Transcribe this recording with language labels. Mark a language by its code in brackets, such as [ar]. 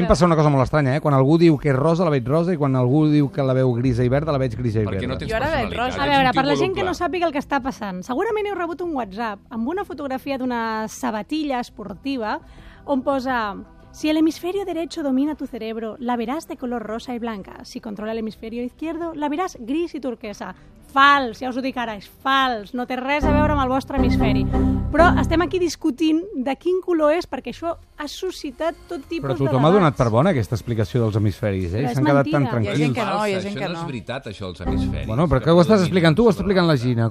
[ca] em passa una cosa molt estranya, Quan algú diu que és rosa, la veig rosa, i quan algú diu que la veu grisa i verda, la veig grisa i verda. Perquè no tens personalitat. A veure, per la gent que no sàpiga el que està passant, segurament heu rebut un WhatsApp amb una fotografia d'una sabatilla esportiva on posa... [es] Si el hemisferio derecho domina tu cerebro, la verás de color rosa y blanca. Si controla el hemisferio izquierdo, la verás gris y turquesa. [ca] Fals, ja us ho dic ara, és fals. No té res a veure amb el vostre hemisferi. Però estem aquí discutint de quin color és, perquè això ha suscitat tot tipus de debats. Però tothom ha donat per bona aquesta explicació dels hemisferis, eh? S'han quedat tan tranquils. Això no és veritat, això, dels hemisferis. Bueno, però que ho estàs explicant tu o està explicant la Gina?